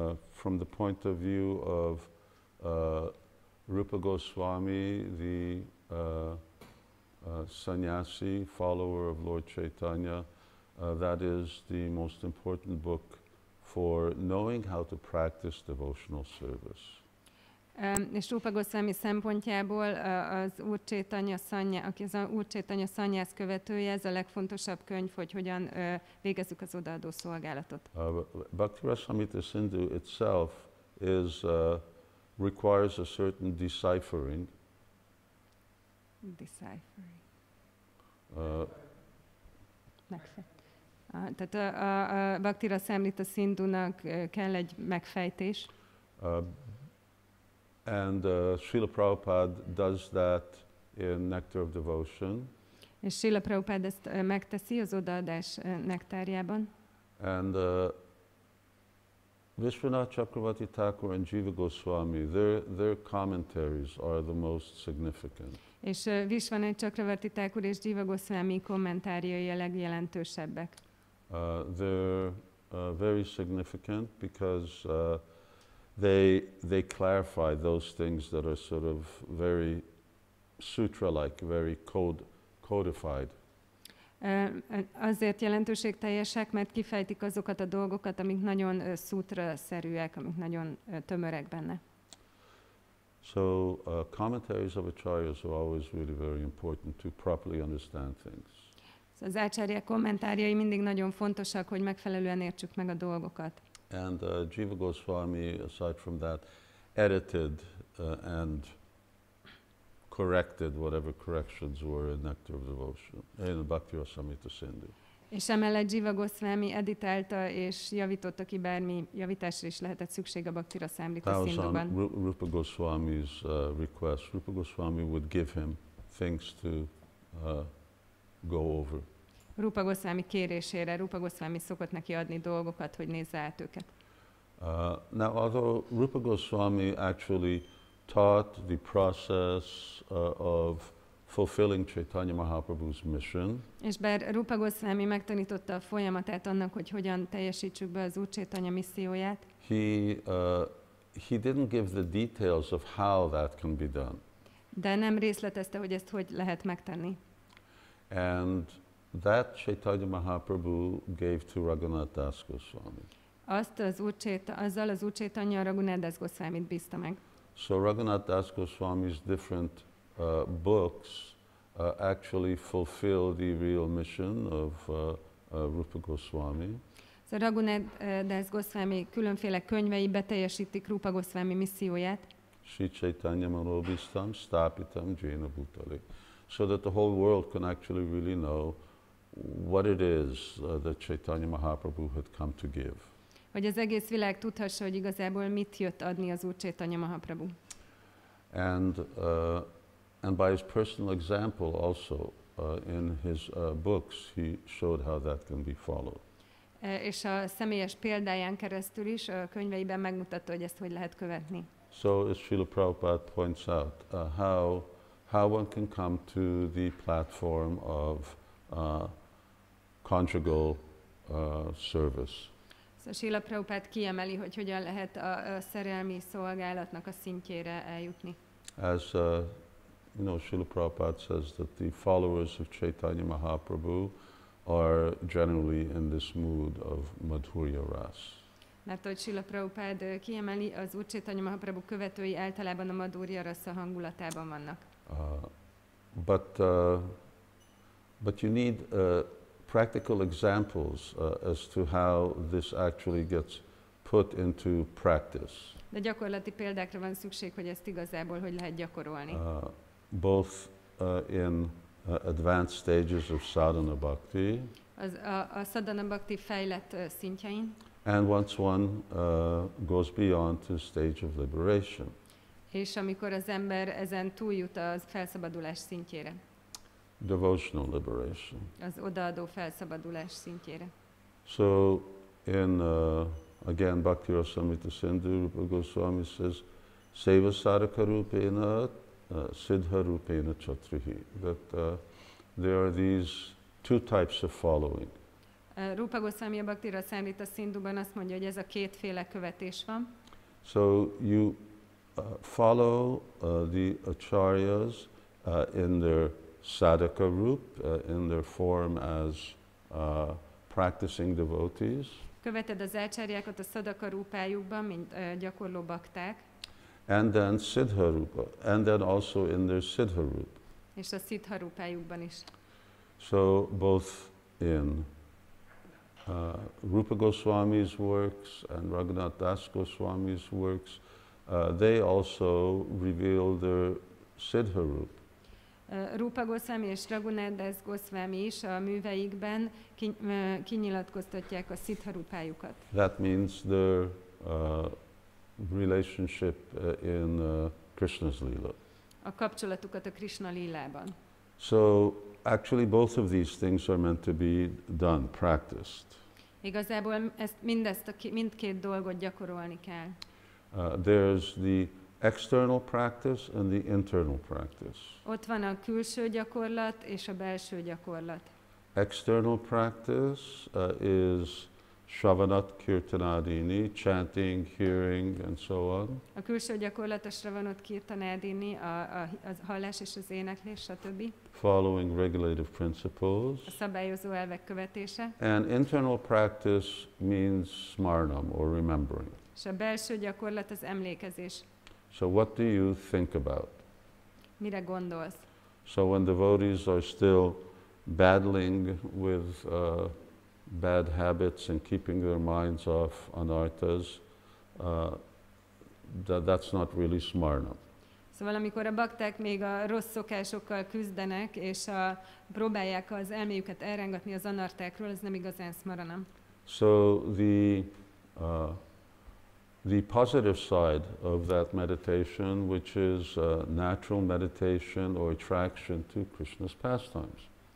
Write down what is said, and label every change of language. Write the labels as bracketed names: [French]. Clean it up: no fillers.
[English] From the point of view of Rupa Goswami, the sannyasi follower of Lord Caitanya, that is the most important book for knowing how to practice devotional service. [Hungarian] És Rupa Goswami szempontjából az Úr Caitanya szannya, aki az Úr Caitanya szannyász követője, ez a legfontosabb könyv, hogy hogyan végezzük az odaadó szolgálatot. [English] Bhakti Rasamrita Sindhu itself is requires a certain deciphering. Deciphering. [Hungarian] Tehát a Bhakti Rasamrita Sindhunak kell egy megfejtés. [English] And Srila Prabhupada does that in Nectar of Devotion. [Hungarian] És Srila Prabhupada ezt megteszi az odaadás nektárjában. [English] And Vishwanath Chakravarti Thakur and Jiva Goswami, their commentaries are the most significant. [Hungarian] És Vishwanath Chakravarti Thakur és Jiva Goswami kommentáriai a legjelentősebbek. [English] They're very significant because they clarify those things that are sort of very sutra-like, very codified. [Hungarian] Azért jelentőségteljesek, mert kifejtik azokat a dolgokat, amik nagyon sutra-szerűek, amik nagyon tömörek benne. [English] So commentaries of acharyas are always really very important to properly understand things. [Hungarian] Az ácsárják kommentáriai mindig nagyon fontosak, hogy megfelelően értsük meg a dolgokat. [English] And Jiva Goswami, aside from that, edited and corrected whatever corrections were in Nectar of Devotion, in Bhakti Rasamrita Sindhu. [Hungarian] És emellett Jiva Goswami editálta és javította ki bármi javításra is lehetett szükség a Bhakti Rasamrita Sindhuban. [English] That was on Rupa Goswami's request. Rupa Goswami would give him things to go over. [Hungarian] Rupa Goswami kérésére, Rupa Goswami szokott neki adni dolgokat, hogy nézze át őket. [English] Now, although Rupa Goswami actually taught the process of fulfilling Chaitanya Mahaprabhu's mission, [Hungarian] és bár Rupa Goswami megtanította a folyamatát annak, hogy hogyan teljesítsük be az Úr Caitanya misszióját, [English] he didn't give the details of how that can be done. [Hungarian] De nem részletezte, hogy ezt hogy lehet megtenni. [English] And that Caitanya Mahaprabhu gave to Raghunath Das Goswami. [Hungarian] Azzal az Úr Caitanya Raghunath Das Goswamit bízta meg. [English] So Raghunath Das Goswami's different books actually fulfill the real mission of Rupa Goswami. [Hungarian] So Raghunath Das Goswami különféle könyvei beteljesítik Rupa Goswami misszióját. [Sanskrit] Sri Caitanya Manobistam Stapitam Jena Bhutale. [English] So that the whole world can actually really know what it is that Caitanya Mahaprabhu had come to give. [Hungarian] Hogy az egész világ tudhassa, hogy igazából mit jött adni az Úr Caitanya Mahaprabhu. [English] And by his personal example also, In his books, he showed how that can be followed. [Hungarian] És a személyes példáján keresztül is könyveiben megmutatta, hogy ezt hogy lehet követni. [English] So as Srila Prabhupada points out, how one can come to the platform of conjugal service. [Hungarian] So Srila Prabhupada kiemeli, hogy hogyan lehet a szerelmi szolgálatnak a szintjére eljutni. [English] As you know, Srila Prabhupada says that the followers of Caitanya Mahaprabhu are generally in this mood of madhurya ras. [Hungarian] Mert ahogy Srila Prabhupada kiemeli, az Úr Caitanya Mahaprabhu követői általában a madhurya rasa hangulatában vannak. [English] But you need practical examples as to how this actually gets put into practice. [Hungarian] De gyakorlati példákra van szükség, hogy ezt igazából hogy lehet gyakorolni. [English] Both in advanced stages of sadhana bhakti. [Hungarian] A sadhana bhakti fejlett szintjein. [English] And once one goes beyond to stage of liberation. [Hungarian] És amikor az ember ezen túljut a felszabadulás szintjére. [English] Devotional liberation. [Hungarian] Az odaadó felszabadulás szintjére. [English] So in again Bhakti Rasamrita Sindhu Rupa Goswami says [Sanskrit] seva sadhaka rupena siddha rupena chatrihi, [English] that there are these two types of following. [Hungarian] Rupa Goswami a Bhakti Rasamrita Sindhuban azt mondja, hogy ez a kétféle követés van. [English] So you follow the acharyas in their sadhaka rup, in their form as practicing devotees. [Hungarian] Követed az acharyákat a sadhaka rupájukban, mint gyakorló bakták. [English] And then siddha rupa, and then also in their siddha rup. [Hungarian] És a siddha rupájukban is. [English] So both in Rupa Goswami's works and Raghunath Das Goswami's works, they also reveal their siddha rup. [Hungarian] Rupa Goswami és Raghunath Das Goswami is a műveikben kinyilatkoztatják a siddha rupájukat. [English] That means their relationship in Krishna's lila. [Hungarian] A kapcsolatukat a Krishna lilában. [English] So actually both of these things are meant to be done, practiced. [Hungarian] Igazából ezt mindkét dolgot gyakorolni kell. [English] There's the external practice and the internal practice. [Hungarian] Ott van a külső gyakorlat és a belső gyakorlat. [English] External practice is Shravanat Kirtanadini, chanting, hearing, and so on. [Hungarian] A külső gyakorlat a Shravanat Kirtanadini, a hallás és az éneklés, stb. [English] Following regulative principles. [Hungarian] A szabályozó elvek követése. [English] And internal practice means smarnam, or remembering. [Hungarian] És a belső gyakorlat az emlékezés. [English] So what do you think about? [Hungarian] Mire gondolsz? [English] So when devotees are still battling with bad habits and keeping their minds off anarthas, that's not really smarna. [Hungarian] Szóval amikor a bakták még a rossz szokásokkal küzdenek és próbálják az elméjüket elrengatni az anarthákról, ez nem igazán smarana. [English] So the positive side of that meditation, which is natural meditation or attraction to Krishna's pastimes.